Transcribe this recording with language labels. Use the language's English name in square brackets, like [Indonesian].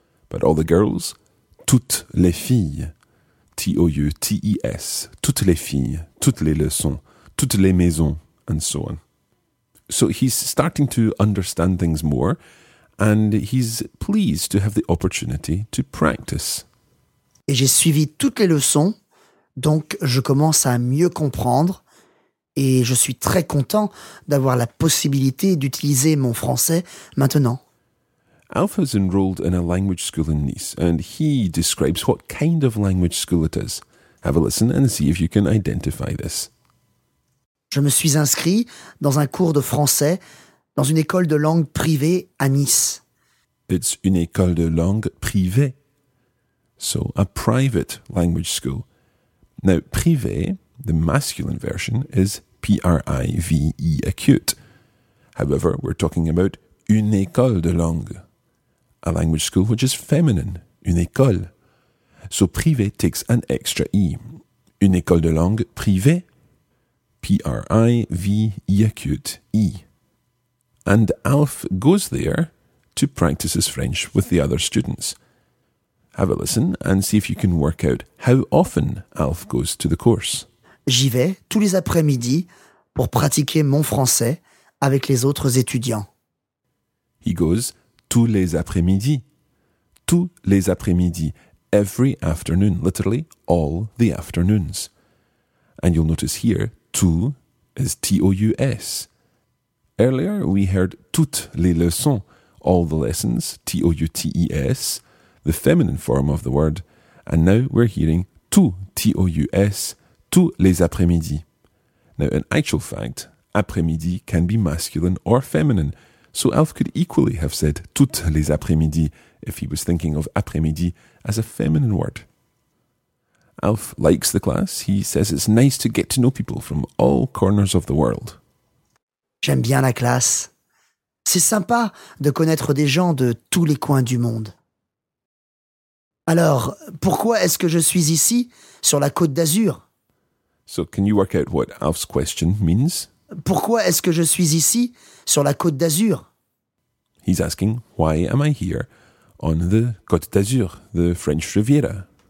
[English] But all the girls, [French] toutes les filles, T-O-U-T-E-S, toutes les filles, toutes les leçons, toutes les maisons, [English] and so on. So he's starting to understand things more, and he's pleased to have the opportunity to practice. [French] Et j'ai suivi toutes les leçons, donc je commence à mieux comprendre, et je suis très content d'avoir la possibilité d'utiliser mon français maintenant. [English] Alf has enrolled in a language school in Nice, and he describes what kind of language school it is. Have a listen and see if you can identify this. [French] Je me suis inscrit dans un cours de français dans une école de langue privée à Nice. [English] It's [French] une école de langue privée. [English] So, a private language school. Now, privé, the masculine version, is P-R-I-V-E, acute. However, we're talking about [French] une école de langue, [English] a language school which is feminine, [French] une école. [English] So, privé takes an extra E. [French] Une école de langue privée, [English] P-R-I-V-E, acute, E. And Alf goes there to practice his French with the other students. Have a listen and see if you can work out how often Alf goes to the course. [French] J'y vais tous les après-midi pour pratiquer mon français avec les autres étudiants. [English] He goes [French] tous les après-midi. Tous les après-midi. [English] Every afternoon. Literally, all the afternoons. And you'll notice here, tout is T-O-U-S. Earlier, we heard [French] toutes les leçons. [English] All the lessons, T-O-U-T-E-S. The feminine form of the word, and now we're hearing tout, T-O-U-S, [French] tous les après-midi. [English] Now, in actual fact, après-midi can be masculine or feminine, so Alf could equally have said [French] toutes les après-midi [English] if he was thinking of après-midi as a feminine word. Alf likes the class. He says it's nice to get to know people from all corners of the world. [French] J'aime bien la classe. C'est sympa de connaître des gens de tous les coins du monde. Alors, pourquoi est-ce que je suis ici, sur la Côte d'Azur? [English] So, can you work out what Alf's question means? [French] Pourquoi est-ce que je suis ici, sur la Côte d'Azur? [English] He's asking, why am I here on the Côte d'Azur, the French Riviera?